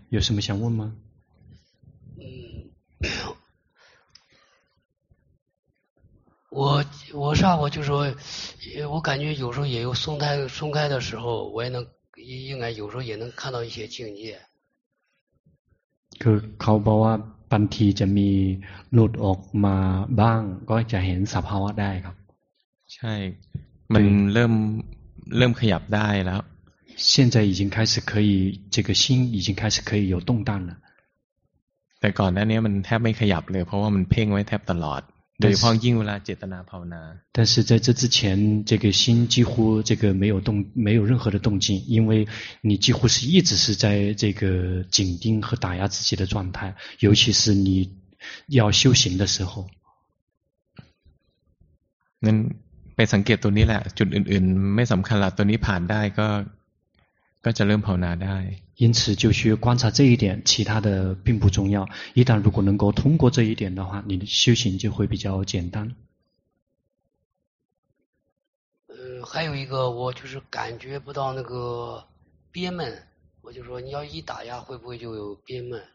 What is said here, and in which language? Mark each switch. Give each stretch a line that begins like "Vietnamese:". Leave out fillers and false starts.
Chinese: 有什么想问吗我上午就说我感觉有时候也有松开的时候我也能应该有时候也能看到一些境界
Thai: คือเขาบอกว่าบางทีจะมีหลุดออกมาบ้างก็จะเห็นสภาวะได้ครับ ใช่มันเริ่มขยับได้แล้ว
Chinese: 现在已经开始可以这个心已经开始可以有动荡了
Thai: แต่ก่อนหน้านี้มันแทบไม่ขยับเลยเพราะว่ามันเพ่งไว้แทบตลอดโดยเฉพาะยิ่งเวลาเจตนาภาวนา
Chinese: 但是在这之前这个心几乎这个没有任何的动静因为你几乎是一直是在这个紧盯和打压自己的状态尤其是你要修行的时候
Thai: นั้นไปสังเกตตัวนี้แหละจุดอื่นๆไม่สำคัญละตัวนี้ผ่านได้ก็จะเริ่มภาวนาได้
Chinese: 因此就去观察这一点其他的并不重要一旦如果能够通过这一点的话你的修行就会比较简单还有一个我就是感觉不到那个憋闷我就说你要一打压会不会就有憋闷